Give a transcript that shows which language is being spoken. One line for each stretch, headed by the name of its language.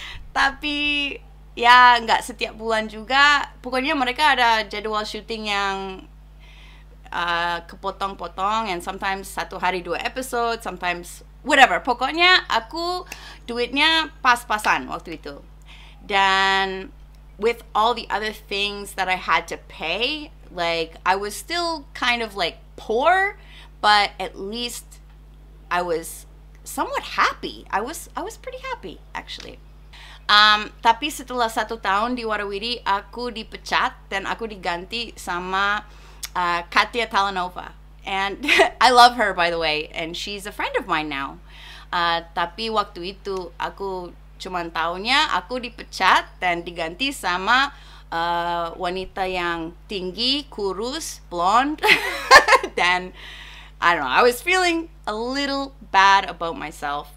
Indonesian: tapi ya nggak setiap bulan juga. Pokoknya mereka ada jadwal syuting yang kepotong-potong, and sometimes satu hari dua episode, sometimes whatever. Pokoknya aku duitnya pas-pasan waktu itu.
English: Dan with all the other things that I had to pay, like, I was still kind of, like, poor, but at least I was somewhat happy. I was pretty happy, actually.
Indonesian: Tapi setelah satu tahun di Warawiri, aku dipecat dan aku diganti sama Katia Talanova.
English: And I love her, by the way, and she's a friend of mine now.
Indonesian: Tapi waktu itu, aku cuman tahunya, aku dipecat dan diganti sama wanita yang tinggi, kurus, blonde.
English: Then I don't know, I was feeling a little bad about myself.